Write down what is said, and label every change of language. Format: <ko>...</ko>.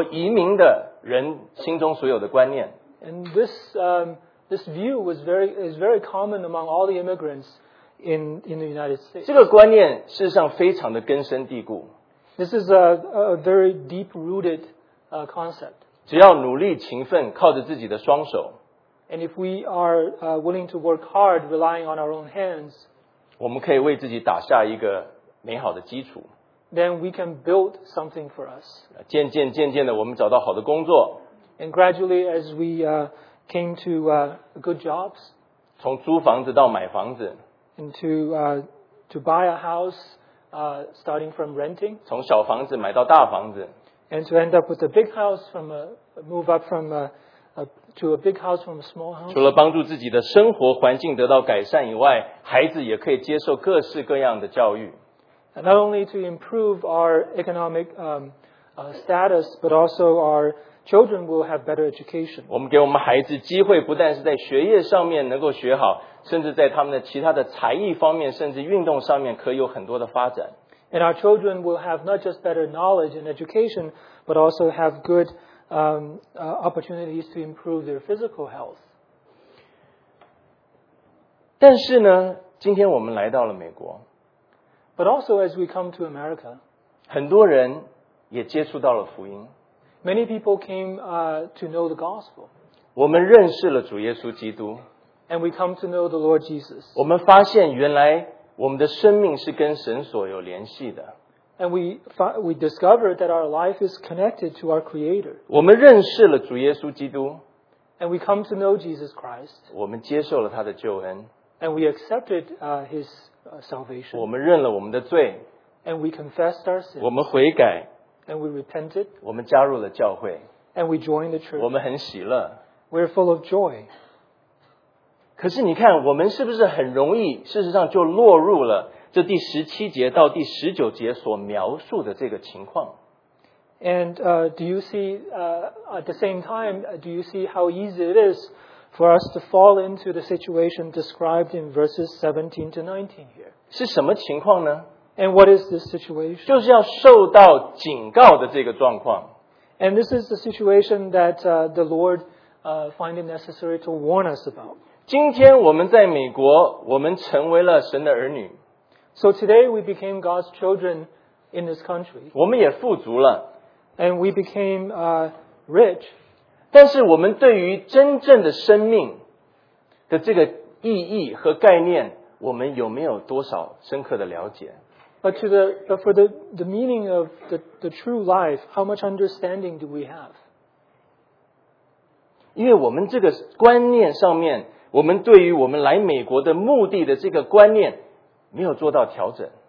<zh>这个观念事实上是所有移民的在美国移民的人心中所有的观念。</zh> <en>And this view is very common among all the immigrants in the United States.</en> <zh>这个观念事实上非常的根深蒂固。</zh> <en>This is a very deep-rooted concept.</en> <zh>只要努力勤奋靠着自己的双手,</zh> <en>And if we are willing to work hard, relying on our own hands,</en> <zh>我们可以为自己打下一个美好的基础。</zh> <en>Then we can build something for us.</en> <zh>渐渐的我们找到好的工作。</zh> <en>And gradually, as we came to good jobs,</en> <zh>从租房子到买房子,</zh> <en>and to buy a house, starting from renting,</en> <zh>从小房子买到大房子,</zh> <en>and to end up with a big house from a move up from to a big house from a small house.</en> <zh>除了帮助自己的生活环境得到改善以外, 孩子也可以接受各式各样的教育.</zh> <en>And not only to improve our economic status, but also our Children will have better education.</en> <zh>我们给我们孩子机会不但是在学业上面能够学好, 甚至在他们的其他的才艺方面, 甚至运动上面可有很多的发展。</zh> <en>And our children will have not just better knowledge and education, but also have good opportunities to improve their physical health.</en> <zh>但是呢，今天我们来到了美国。</zh> <en>But also as we come to America,</en> <zh>很多人也接触到了福音。</zh> <en>Many people came to know the gospel.</en> <zh>我们认识了主耶稣基督。</zh> <en>And we come to know the Lord Jesus.</en> <zh>我们发现原来我们的生命是跟神所有联系的。</zh> <en>And we discover that our life is connected to our Creator.</en> <zh>我们认识了主耶稣基督。</zh> <en>And we come to know Jesus Christ.</en> <zh>我们接受了他的救恩。</zh> <en>And we accepted his salvation.</en> <zh>我们认了我们的罪。</zh> <en>And we confessed our sins.</en> <zh>我们悔改。</zh> <en>And we repented.</en> <zh>我们加入了教会。</zh> <en>And we joined the church.</en> <zh>我们很喜乐。</zh> <en>We're full of joy.</en> <zh>可是你看，我们是不是很容易，事实上就落入了这第十七节到第十九节所描述的这个情况？</zh> <en>And do you see at the same time? Do you see how easy it is for us to fall into the situation described in verses 17 to 19 here?</en> <zh>是什么情况呢</zh> <en>？And what is this situation?</en> <zh>就是要受到警告的这个状况。</zh> <en>And this is the situation that the Lord find it necessary to warn us about.</en> <zh>今天我们在美国，我们成为了神的儿女。</zh> <en>So today we became God's children in this country.</en> <zh>我们也富足了。</zh> <en>And we became rich.</en> <zh>但是我们对于真正的生命的这个意义和概念，我们有没有多少深刻的了解？</zh> <en>But for the meaning of the true life, how much understanding do we have?</en> <zh>因为我们这个观念上面，我们对于我们来美国的目的的这个观念没有做到调整。</zh>